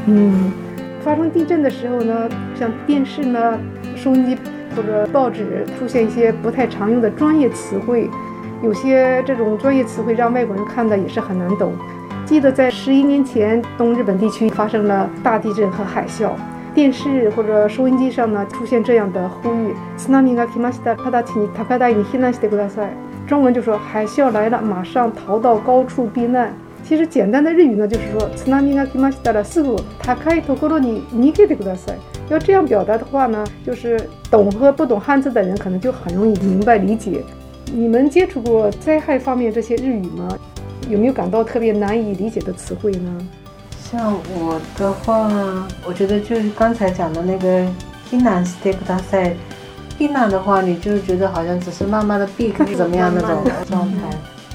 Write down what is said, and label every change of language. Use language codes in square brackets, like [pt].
[zh] 嗯，发生地震的时候呢，像电视呢、收音机或者报纸出现一些不太常用的专业词汇，有些这种专业词汇让外国人看的也是很难懂。记得在11年前东日本地区发生了大地震和海啸，电视或者收音机上呢出现这样的呼吁， [ja] 津波が来ました、直ちに高台に避難してください。 [zh] 中文就说海啸来了，马上逃到高处避难。其实简单的日语呢就是说 [ja] 津波が来ましたらすぐ高いところに逃げてください。 [zh] 要这样表达的话呢，就是懂和不懂汉字的人可能就很容易明白理解。你们接触过灾害方面这些日语吗？有没有感到特别难以理解的词汇呢？像我的话，我觉得就是刚才讲的那个避难してください，避难的话你就觉得好像只是慢慢的避怎么样那种状态。